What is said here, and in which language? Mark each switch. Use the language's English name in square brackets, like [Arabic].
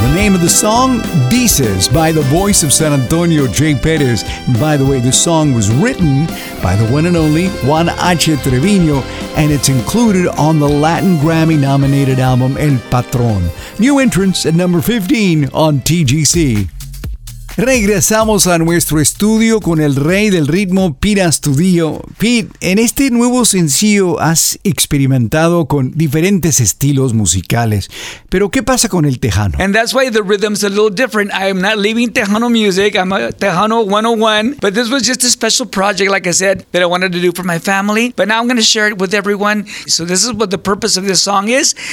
[English] The name of the song, Dices, by the voice of San Antonio, Jay Perez. And by the way, the song was written by the one and only Juan H. Trevino, and it's included on the Latin Grammy-nominated album, El Patron. New entrance at number 15 on TGC. [Spanish] Regresamos a nuestro estudio con el rey del ritmo, Pete Astudillo. Pete, en este nuevo sencillo has experimentado con diferentes estilos musicales, pero ¿qué pasa con el tejano? [English] And that's why the rhythm's a little different. I am not leaving Tejano music. I'm a Tejano 101. But this was just a special project, like I said, that I wanted to do for my family. But now I'm going to share it with everyone. So this is what the purpose of this song is.